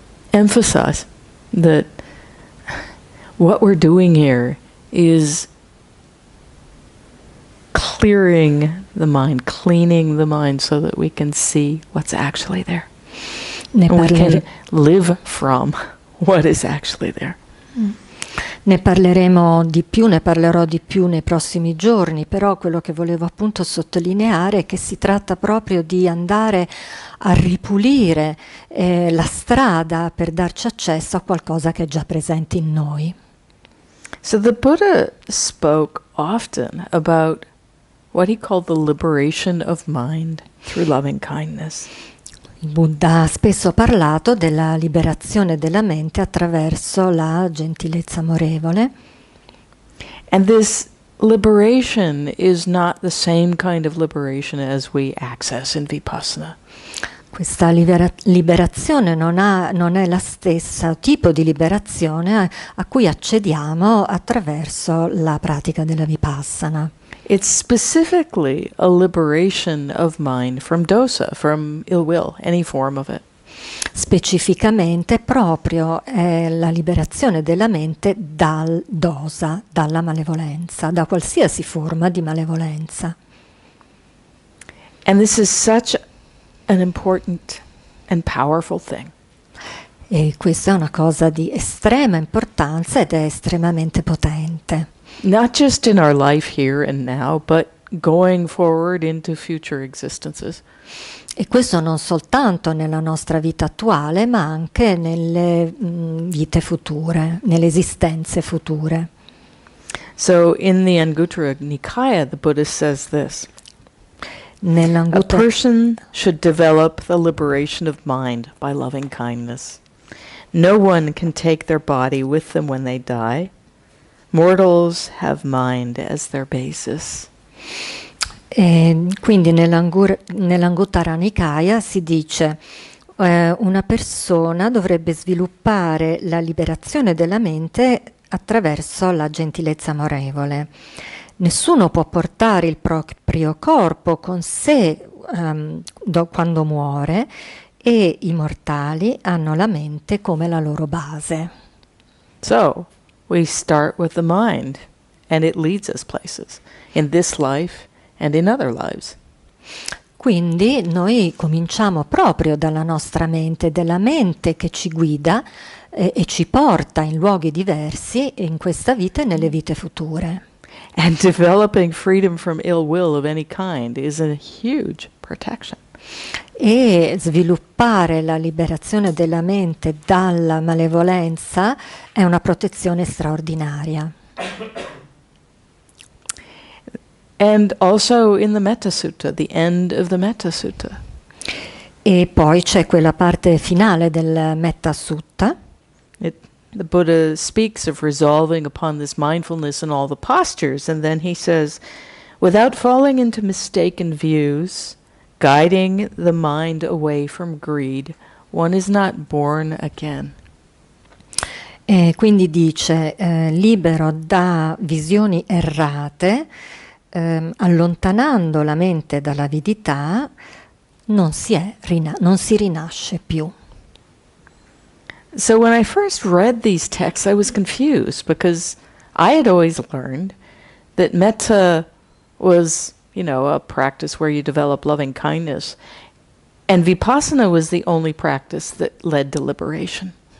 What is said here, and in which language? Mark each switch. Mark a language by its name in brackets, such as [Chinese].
[English] Emphasize that what we're doing here is clearing the mind, cleaning the mind so that we can see what's actually there. We can live from what is actually there. [Italian] Ne parleremo di più, ne parlerò di più nei prossimi giorni, però quello che volevo appunto sottolineare è che si tratta proprio di andare a ripulire la strada per darci accesso a qualcosa che è già presente in noi. [English] So the Buddha spoke often about what he called the liberation of mind through loving kindness. [Italian] Il Buddha ha spesso parlato della liberazione della mente attraverso la gentilezza amorevole. [English] And this liberation is not the same kind of liberation as we access in Vipassana. [Italian] Questa liberazione non è la stessa tipo di liberazione a cui accediamo attraverso la pratica della Vipassana. [English] It's specifically a liberation of mind from dosa, from ill will, any form of it. [Italian] Specificamente proprio è la liberazione della mente dal dosa, dalla malevolenza, da qualsiasi forma di malevolenza. [English] And this is such an important and powerful thing. [Italian] E questa è una cosa di estrema importanza ed è estremamente potente. [English] Not just in our life here and now, but going forward into future existences. [Italian] E questo non soltanto nella nostra vita attuale, ma anche nelle vite future, nelle esistenze future. [English] So in the Anguttara Nikaya, the Buddha says this. [Italian] Nell'Anguttara. [English] A person should develop the liberation of mind by loving kindness. No one can take their body with them when they die. Mortals have mind as their basis. [Italian] E quindi nell'Anguttara Nikaya si dice una persona dovrebbe sviluppare la liberazione della mente attraverso la gentilezza amorevole. Nessuno può portare il proprio corpo con sé quando muore e i mortali hanno la mente come la loro base. [English] So, we start with the mind and it leads us places in this life and in other lives. [Italian] Quindi noi cominciamo proprio dalla nostra mente, della mente che ci guida e ci porta in luoghi diversi in questa vita e nelle vite future. [English] And developing freedom from ill will of any kind is a huge protection. [Italian] E sviluppare la liberazione della mente dalla malevolenza è una protezione straordinaria. [English] And also in the Metta Sutta, the end of the Metta Sutta. [Italian] E poi c'è quella parte finale del Metta Sutta. [English] The Buddha speaks of resolving upon this mindfulness in all the postures, and then he says, without falling into mistaken views, guiding the mind away from greed, one is not born again. [Italian] E quindi dice, libero da visioni errate, allontanando la mente dall'avidità, non si rinasce più. [English] So when I first read these texts, I was confused because I had always learned that metta was, you know, a practice where you develop loving kindness, and vipassana was the only practice that led to liberation.